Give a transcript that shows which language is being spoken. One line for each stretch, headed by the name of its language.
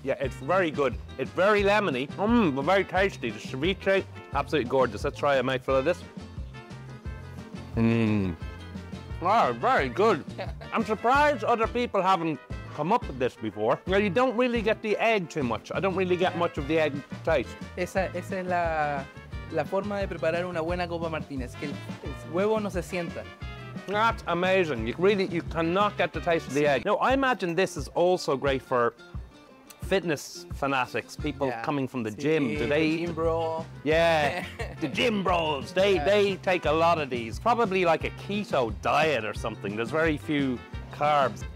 English: Yeah, it's very good. It's very lemony. Mmm, but very tasty. The ceviche, absolutely gorgeous. Let's try a mouthful of this. Mmm. Oh, very good. I'm surprised other people haven't come up with this before. Well, you don't really get the egg too much. I don't really get much of the egg taste.
Spanish: Esa es la forma de preparar una buena copa Martínez, que el huevo no se sienta.
English: That's amazing. You cannot get the taste of the egg. No, I imagine this is also great for fitness fanatics, people coming from the gym. Do they the gym bro. Yeah, the gym bros. They take a lot of these. Probably like a keto diet or something. There's very few carbs.